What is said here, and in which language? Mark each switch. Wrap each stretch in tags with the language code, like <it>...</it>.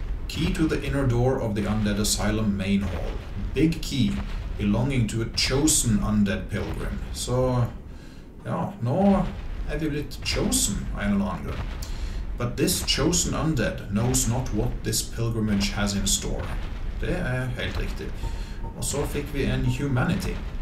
<en>Key to the inner door of the undead asylum main hall. Big key. Belonging to a chosen undead pilgrim.</en> <no>Så, ja, nå er vi blitt chosen av en eller annen grunn.</no> <en>But this chosen undead knows not what this pilgrimage has in store.</en> <no>Det er helt riktig. Og så fikk vi en humanity.</no>